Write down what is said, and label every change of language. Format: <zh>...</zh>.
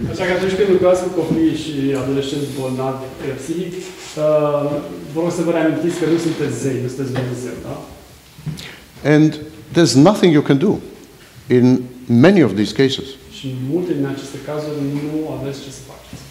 <ro>Așa că atunci când lucrați cu copii și adolescenți bolnavi psihic, vă rog să vă reamintiți că nu sunteți zei, nu sunteți Dumnezeu, da?</ro> <en>And there's nothing you can do in many of these cases.</en> <ro>Și multe din aceste cazuri nu aveți ce să faceți.</ro>